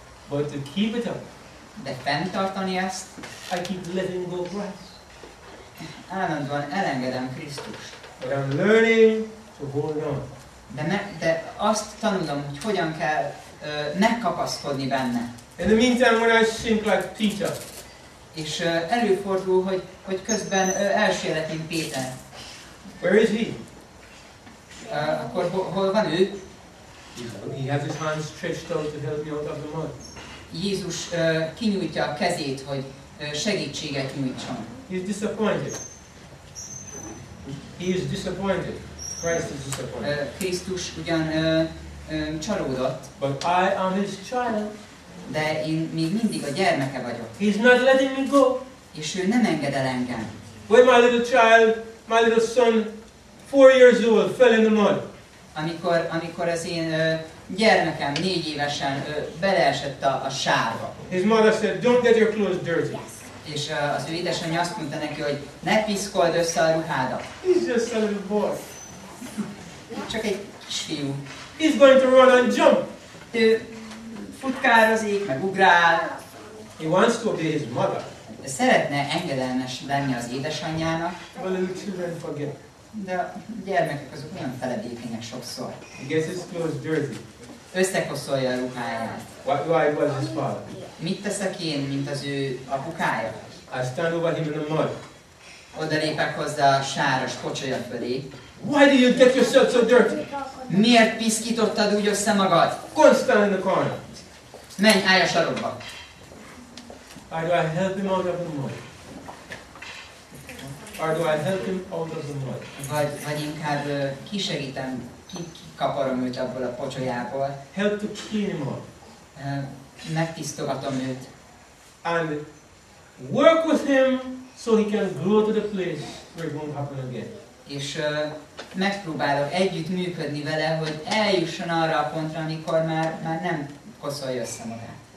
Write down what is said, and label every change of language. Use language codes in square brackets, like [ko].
[en] But to keep it up. [hu] De fenntartani ezt. [en] I keep letting go of Christ. [hu] Állandóan elengedem Krisztust. [en] But I'm learning to hold on. [hu] De azt tanulom, hogy hogyan kell megkapaszkodni benne. [en] In the meantime, when I sink like Peter. [hu] És előfordul, hogy közben elsiet, mint Péter. [en] Where is he? [hu] Akkor hol van ő? [en] He has his hands stretched out to help me out of the mud. [hu] Jézus kinyújtja a kezét, hogy segítséget nyújtson. [en] He is disappointed. He is disappointed. Christ is disappointed. [hu] Krisztus ugyan csalódott. [en] But I am his child. [hu] De én még mindig a gyermeke vagyok. [en] He is not letting me go. [hu] És ő nem enged el engem. [en] When my little child, my little son, 4 years old, fell in the mud. [hu] Amikor az én gyermekem 4 évesen beleesett a sárba. [en] His mother said, "Don't get your clothes dirty." [hu] És az ő édesanyja azt mondta neki, hogy ne piszkold össze a ruhádat. [en] He's just a little boy. [hu] Csak egy kisfiú. [en] He's going to run and jump. [hu] Ő futkározik, meg ugrál. [en] He wants to obey his mother. [hu] Szeretne engedelmes lenni az édesanyjának. [en] But the children forget. [hu] De a gyermekek azok olyan feledékenyek sokszor. [en] He gets his clothes dirty. [hu] Összekoszolja a ruháját. [en] What do I was his father? [hu] Mit teszek én, mint az ő apukája? [en] I stand over him in the mud. [hu] Odalépek hozzá a sáros kocsolya fölé. [en] Why do you get yourself so dirty? [hu] Miért piszkítottad úgy össze magad? [en] Go stand in the corner. [hu] Menj, állj a sarokba. [en] Or do I help him out of the mud? Or do I help him out of the mud? [hu] Vagy inkább kisegítem, kikaparom őt abból a pocsolyából. [en] Help to clean him up. [hu] Megtisztogatom őt. [en] And work with him so he can grow to the place where it won't happen again. [hu] És megpróbálok együtt működni vele, hogy eljusson arra a pontra, amikor már nem koszolja össze magát.